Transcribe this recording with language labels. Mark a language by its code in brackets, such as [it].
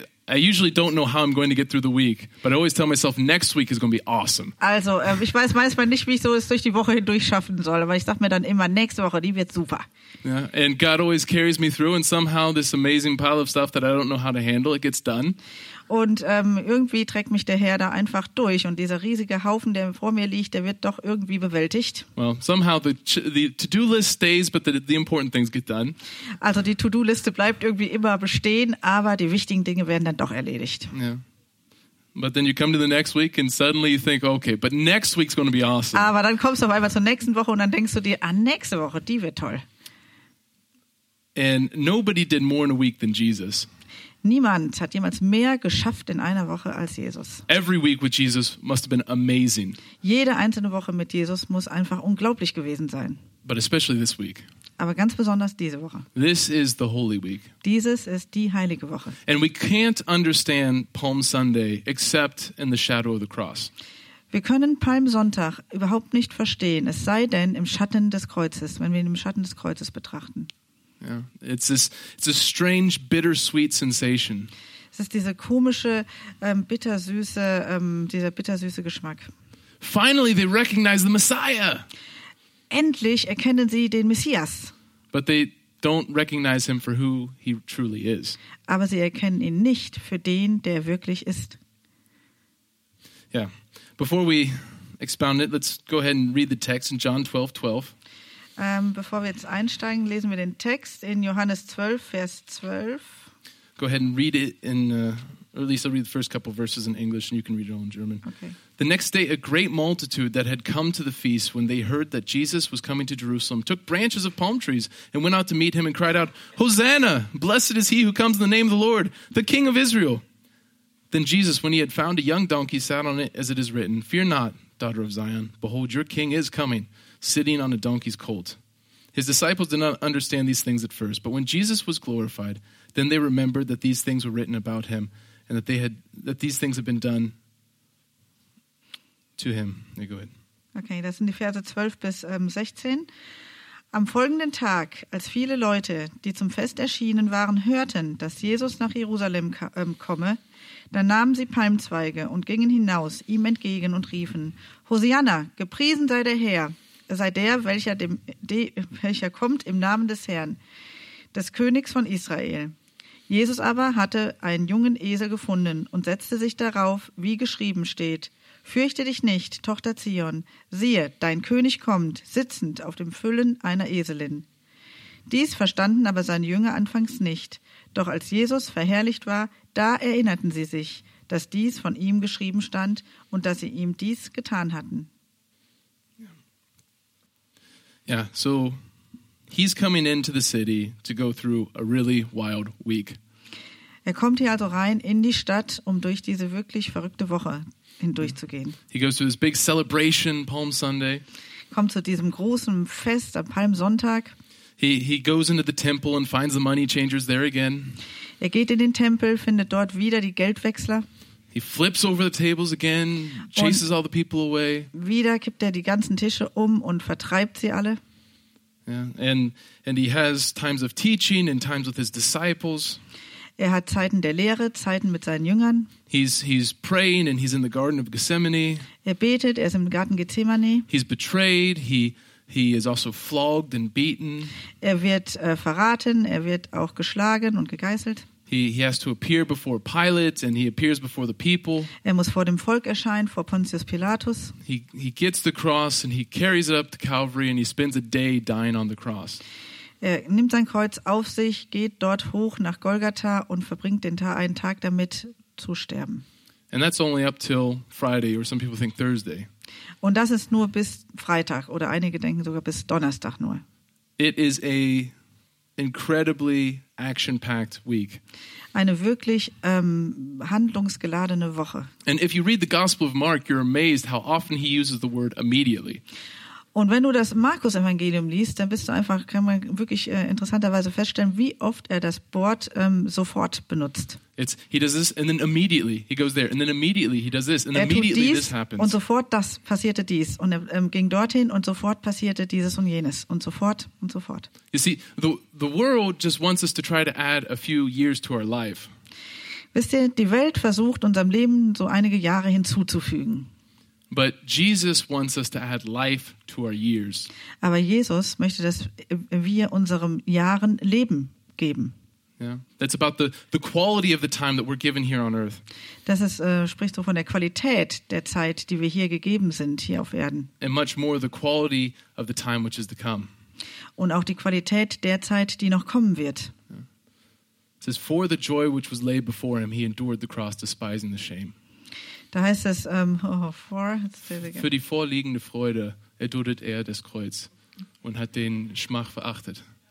[en] I usually don't know how I'm going to get through the week, but I always tell myself next week is going to be awesome. [de] Also, ich weiß manchmal nicht, wie ich so es durch die Woche hindurch schaffen soll, aber ich sag mir dann immer, nächste Woche, die wird super. [en] Yeah, and God always carries me through, and somehow this amazing pile of stuff that I don't know how to handle, it gets done. [de] Und irgendwie trägt mich der Herr da einfach durch, und dieser riesige Haufen, der vor mir liegt, der wird doch irgendwie bewältigt. [en] Well, somehow the To-Do-List stays, but the important things get done. [de] Also die To-Do-Liste bleibt irgendwie immer bestehen, aber die wichtigen Dinge werden dann doch erledigt. [en] Yeah. But then you come to the next week and suddenly you think, okay, but next week's going to be awesome. [de] Aber dann kommst du auf einmal zur nächsten Woche und dann denkst du dir, ah, nächste Woche, die wird toll. [en] And nobody did more in a week than Jesus. [de] Niemand hat jemals mehr geschafft in einer Woche als Jesus. [en] Every week with Jesus must have been amazing. [de] Jede einzelne Woche mit Jesus muss einfach unglaublich gewesen sein. [en] But especially this week. [de] Aber ganz besonders diese Woche. [en] This is the Holy Week. [de] Dieses ist die heilige Woche. [en] And we can't understand Palm Sunday except in the shadow of the cross. [de] Wir können Palmsonntag überhaupt nicht verstehen, es sei denn im Schatten des Kreuzes, wenn wir ihn im Schatten des Kreuzes betrachten. [en] Yeah, it's a strange bittersweet sensation. [de] Es ist diese komische bittersüße Geschmack. [en] Finally they recognize the Messiah. [de] Endlich erkennen sie den Messias. [en] But they don't recognize him for who he truly is. [de] Aber sie erkennen ihn nicht für den, der wirklich ist. [en] Yeah. Before we expound it, let's go ahead and read the text in John 12:12. [de] Bevor wir jetzt einsteigen, lesen wir den Text in Johannes 12, Vers 12. [en] Go ahead and read it in, or at least I'll read the first couple of verses in English and you can read it all in German. Okay. The next day, a great multitude that had come to the feast, when they heard that Jesus was coming to Jerusalem, took branches of palm trees and went out to meet him and cried out, "Hosanna! Blessed is he who comes in the name of the Lord, the King of Israel." Then Jesus, when he had found a young donkey, sat on it as it is written, "Fear not, daughter of Zion, behold, your king is coming, sitting on a donkey's colt." His disciples did not understand these things at first, but when Jesus was glorified, then they remembered that these things were written about him, and that they had that these things had been done to him. Yeah, go ahead. [de] Okay, das sind die Verse 12 bis 16. Am folgenden Tag, als viele Leute, die zum Fest erschienen waren, hörten, dass Jesus nach Jerusalem komme, dann nahmen sie Palmzweige und gingen hinaus ihm entgegen und riefen: "Hosanna, gepriesen sei der Herr. Sei der, welcher kommt im Namen des Herrn, des Königs von Israel." Jesus aber hatte einen jungen Esel gefunden und setzte sich darauf, wie geschrieben steht: "Fürchte dich nicht, Tochter Zion, siehe, dein König kommt, sitzend auf dem Füllen einer Eselin." Dies verstanden aber seine Jünger anfangs nicht. Doch als Jesus verherrlicht war, da erinnerten sie sich, dass dies von ihm geschrieben stand und dass sie ihm dies getan hatten. [en] Yeah, so he's coming into the city to go through a really wild week. [de] Er kommt hier also rein in die Stadt, um durch diese wirklich verrückte Woche hindurchzugehen. [en] He goes to this big celebration, Palm Sunday. [de] Kommt zu diesem großen Fest am Palmsonntag. [en] He goes into the temple and finds the money changers there again. [de] Er geht in den Tempel, findet dort wieder die Geldwechsler. [en] He flips over the tables again, chases [de] und [en] all the people away. [de] Wieder kippt er die ganzen Tische um und vertreibt sie alle. [en] Yeah. And he has times of teaching and times with his disciples. [de] Er hat Zeiten der Lehre, Zeiten mit seinen Jüngern. [en] He's praying and he's in the Garden of Gethsemane. [de] Er betet, er ist im Garten Gethsemane. [en] He's betrayed, he is also flogged and beaten. [de] Er wird verraten, er wird auch geschlagen und gegeißelt. [en] He has to appear before Pilate and he appears before the people. [de] Er muss vor dem Volk erscheinen, vor Pontius Pilatus. [en] He gets the cross and he carries it up to Calvary and he spends a day dying on the cross. [de] Er nimmt sein Kreuz auf sich, geht dort hoch nach Golgatha und verbringt den einen Tag damit zu sterben. [en] And that's only up till Friday, or some people think Thursday. [de] Und das ist nur bis Freitag oder einige denken sogar bis Donnerstag nur. [en] It is a incredibly action-packed week. [de] Eine wirklich handlungsgeladene Woche. [en] And if you read the Gospel of Mark, you're amazed how often he uses the word immediately. [de] Und wenn du das Markus-Evangelium liest, dann bist du einfach, kann man wirklich interessanterweise feststellen, wie oft er das Wort sofort benutzt. [en] It's, he does this and then immediately he goes there and then immediately he does this and [de] er [en] immediately [de] dies, [en] this happens. [de] Und sofort das passierte dies und er ging dorthin und sofort passierte dieses und jenes und sofort. [en] You see, the world just wants us to try to add a few years to our life. [de] Wisst ihr, die Welt versucht unserem Leben so einige Jahre hinzuzufügen. [en] But Jesus wants us to add life to our years. [de] Aber Jesus möchte, dass wir unserem Jahren Leben geben. [en] Yeah, that's about the quality of the time that we're given here on earth. [de] Das ist spricht so von der Qualität der Zeit, die wir hier gegeben sind hier auf Erden. [en] And much more the quality of the time which is to come. [de] Und auch die Qualität der Zeit, die noch kommen wird. [en] Yeah. It says, for the joy which was laid before him, he endured the cross, despising the shame. [de] Da heißt es, für die vorliegende Freude erduldet er das Kreuz und hat den Schmach verachtet.